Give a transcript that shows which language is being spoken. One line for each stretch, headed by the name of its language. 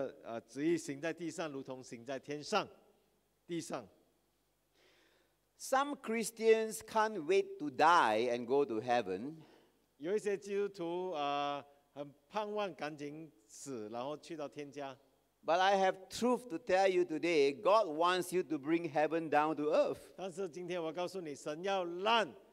Chinese: 我们在天上的父，愿人都尊父的名为圣。耶稣教导我们的这个主导文，愿你的这个旨意行在地上，如同行在天上。
English: Some Christians can't wait to die and go to heaven.
Chinese: 有一些基督徒很盼望赶紧死，然后去到天家。
English: But I have truth to tell you today. God wants you to bring heaven down to earth.
Chinese: 但是今天我告诉你，神要让